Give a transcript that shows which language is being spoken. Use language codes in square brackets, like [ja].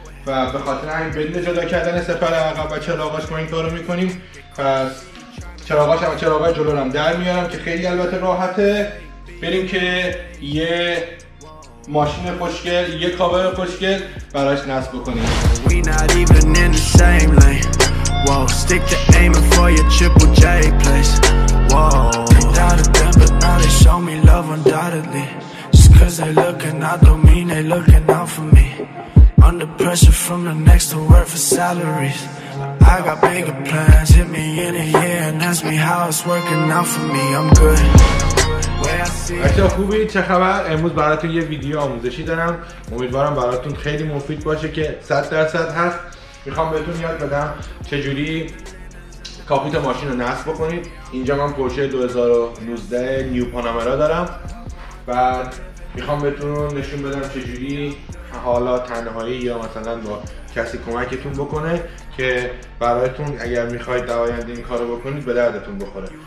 [fa] و به خاطر همین بدون جدا کردن سپر عقب و چراغاش ما این کارو میکنیم. پس چراغاش هم چراغ جلو هم در میارم که خیلی البته راحته. بریم که یه ماشین خوشگل، یه کاور خوشگل براش نصب بکنیم. [en] Whoa, stick to aiming for your triple J place. Whoa, picked out of them, but now they show me love undoubtedly. Just cause they looking, I don't mean they looking out for me. Under pressure from the next to work for salaries. I got bigger plans, hit me in a year and ask me how it's working out for me. I'm good. [fa] بچه خوبی، چه خبر؟ امروز براتون یه ویدیو آموزشی دارم، امیدوارم براتون خیلی مفید باشه که 100% هست. میخوام بهتون یاد بدم چجوری کاپوت ماشین رو نصب بکنید. اینجا من پورشه 2019 نیو پانامرا دارم و میخوام بهتون نشون بدم چجوری حالا تنهایی یا مثلا با کسی کمکتون بکنه که برایتون اگر میخواید در آینده این کارو بکنید به دردتون بخوره.